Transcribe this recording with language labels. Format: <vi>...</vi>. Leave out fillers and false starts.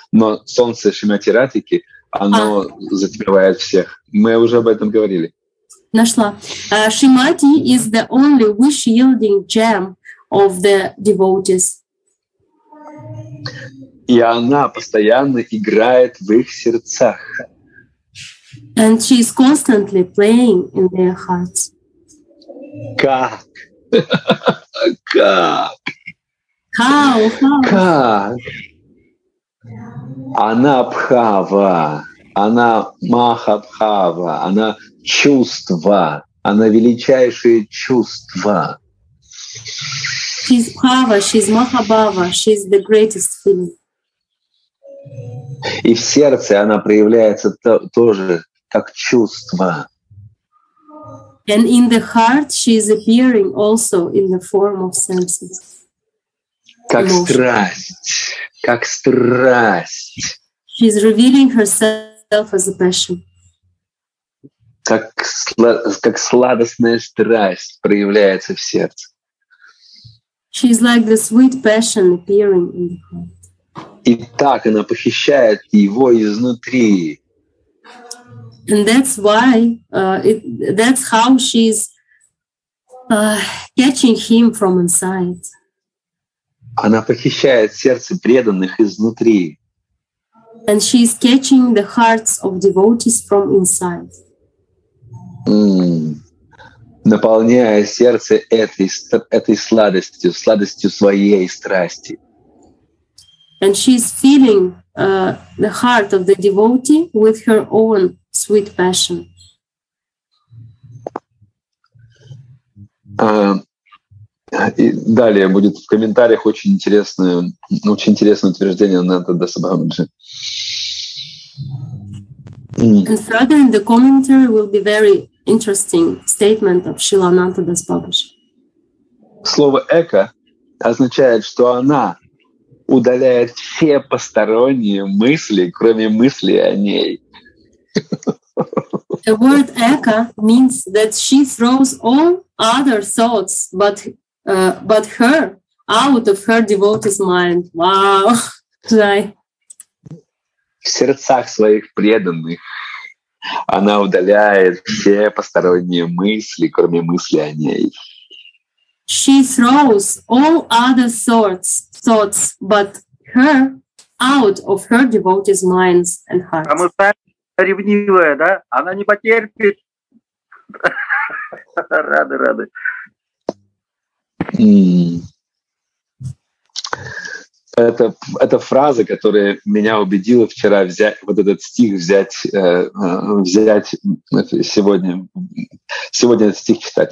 <ru>Но Солнце Шримати Радхики, оно затмевает всех. Мы уже об этом говорили. Нашла.</ru> <en>Шримати is the only wish-yielding gem of the devotees.</en> <ru>И она постоянно играет в их сердцах.</ru> <en>And she is constantly playing in their hearts.</en> <ru>Как? Как?</ru> <en>How?</en> <ru>Как? Она бхава. Она махабхава. Она чувства. Она величайшие чувства.</ru> <en>She's bhava, she's mahabhava, she's the greatest feeling.</en> <ru>И в сердце она проявляется тоже как чувство.</ru> <en>And in the heart she is appearing also in the form of senses.</en> <ru>Как</ru> <en>emotion.</en> <ru>Страсть. Как страсть.</ru> <en>She's revealing herself as a passion.</en> <ru>Как сладостная страсть проявляется в сердце.</ru> <en>She's like the sweet passion appearing in the heart.</en> <ru>И так она похищает его изнутри.</ru> <en>And that's why that's how she's catching him from inside.</en> <ru>Она похищает сердце преданных изнутри.</ru> <en>And she's catching the hearts of devotees from inside.</en> <ru>Наполняя сердце этой сладостью своей страсти.</ru> <en>And she's filling the heart of the devotee with her own sweet passion.</en> <ru>И далее будет в комментариях очень интересное утверждение Нанда Сабхамаджи.</ru> <en>And further in the commentary will be very interesting statement of Srila Nanda Sabhaji.</en> <ru>Слово эко означает, что она удаляет все посторонние мысли, кроме мысли о ней.</ru> <en>The word echo means that she throws all other thoughts but her out of her devotee's mind. Wow.</en> <ru>В сердцах своих преданных она удаляет все посторонние мысли, кроме мысли о ней.</ru> <en>She throws all other thoughts, but her out of her devotee's minds and hearts.</en> <ru>А мы знаем, что ревнивая, да? Она не потерпит. Рады, рады. Это фраза, которая меня убедила вчера сегодня этот стих читать.</ru>